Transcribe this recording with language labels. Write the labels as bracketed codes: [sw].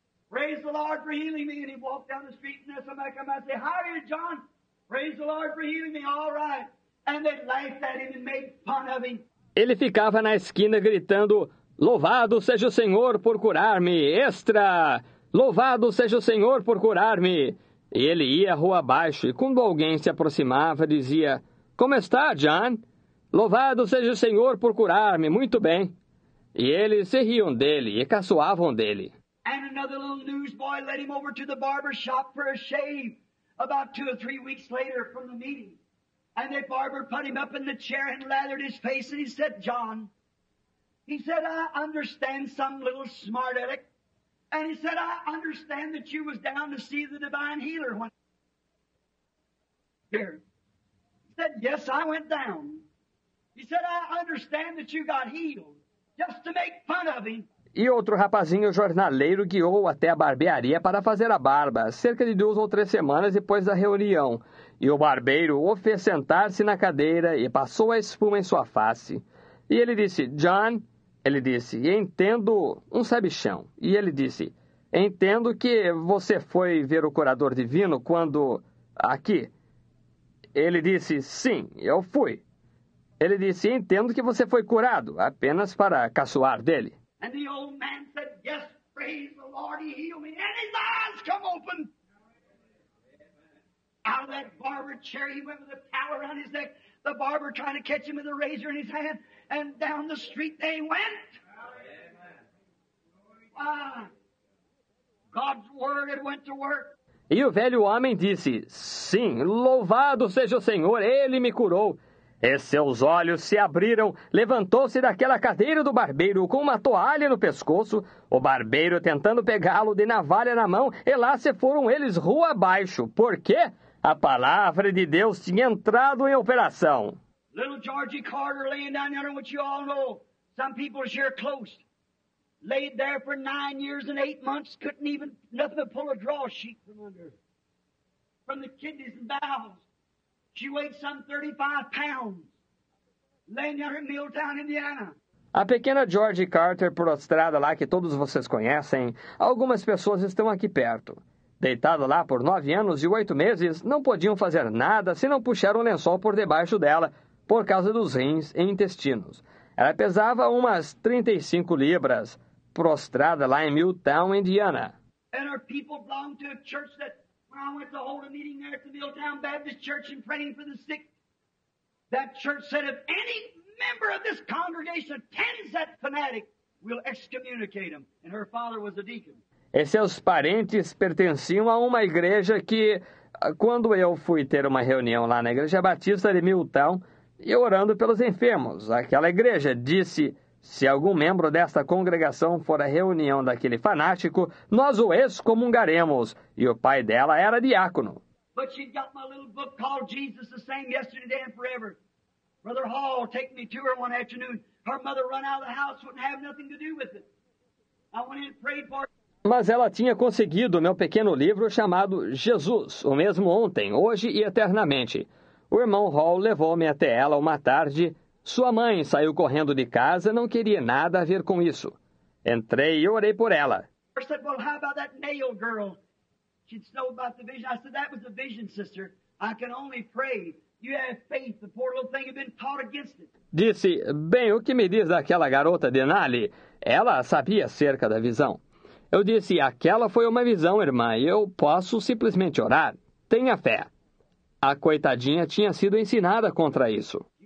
[en] Praise the Lord for healing me. And he walked down the street and somebody come out and say, how are you, John? Praise the Lord for healing me. All right. And they laughed at him and made fun of him. [pt] Ele ficava na esquina gritando, louvado seja o Senhor por curar-me, extra! Louvado seja o Senhor por curar-me! E ele ia rua abaixo, e quando alguém se aproximava, dizia, como está, John? Louvado seja o Senhor por curar-me, muito bem! E eles se riam dele e caçoavam dele. [en] And another little newsboy led him over to the barber shop for a shave about 2 or 3 weeks later from the meeting. And the barber put him up in the chair and lathered his face and he said, John, he said, I understand some little smart aleck. And he said, I understand that you was down to see the divine healer when here. He said, yes, I went down. He said, I understand that you got healed just to make fun of him. [pt] E outro rapazinho jornaleiro guiou até a barbearia para fazer a barba, cerca de 2 ou 3 semanas depois da reunião. E o barbeiro o fez sentar-se na cadeira e passou a espuma em sua face. E ele disse, John, ele disse, entendo um sabichão. E ele disse, entendo que você foi ver o curador divino quando... aqui. Ele disse, sim, eu fui. Ele disse, entendo que você foi curado, apenas para caçoar dele. [en] And the old man said, yes, praise the Lord, he healed me. And his eyes come open. Out of that barber chair, he went with a towel around his neck. The barber trying to catch him with a razor in his hand. And down the street they went. God's word, it went to work. [pt] E o velho homem disse, sim, louvado seja o Senhor, ele me curou. E seus olhos se abriram, levantou-se daquela cadeira do barbeiro com uma toalha no pescoço, o barbeiro tentando pegá-lo de navalha na mão, e lá se foram eles rua abaixo, porque a palavra de Deus tinha entrado em operação. [en] Little Georgie Carter laying down there, which you all know, some people share close. Laid there for 9 years and 8 months, couldn't even, nothing to pull a draw sheet from under, from the kidneys and bowels. She weighed some 35 pounds, laying there in Milltown, Indiana. [pt] A pequena George Carter, prostrada lá, que todos vocês conhecem, algumas pessoas estão aqui perto. Deitada lá por 9 anos e 8 meses, não podiam fazer nada se não puxar um lençol por debaixo dela, por causa dos rins e intestinos. Ela pesava umas 35 libras, prostrada lá em Milltown, Indiana. [en] And our people belong to a church that, when I went to hold a meeting there at the Milltown Baptist Church and praying for the sick, that church said, if any member of this congregation attends that fanatic, we'll excommunicate him. And her father was a deacon. [pt] E seus parentes pertenciam a uma igreja que, quando eu fui ter uma reunião lá na Igreja Batista de Milltown, e orando pelos enfermos, aquela igreja disse, se algum membro desta congregação for à reunião daquele fanático, nós o excomungaremos. E o pai dela era diácono. [en] But she got my little book called Jesus the Same Yesterday and Forever. Brother Hall take me to her one afternoon. Her mother run out of the house, wouldn't have nothing to do with it. I went in and prayed for her. [pt] Mas ela tinha conseguido meu pequeno livro chamado Jesus, o mesmo ontem, hoje e eternamente. O irmão Hall levou-me até ela uma tarde. Sua mãe saiu correndo de casa, não queria nada a ver com isso. Entrei e orei por ela. [en] I said, well, how about that nail girl? She'd know about the vision. I said, that was a vision, sister. I can only pray. You have faith. The poor little thing had been taught against it. [pt] Disse, bem, o que me diz daquela garota de Nali? Ela sabia acerca da visão. Eu disse, aquela foi uma visão, irmã, e eu posso simplesmente orar. Tenha fé. A coitadinha tinha sido ensinada contra isso.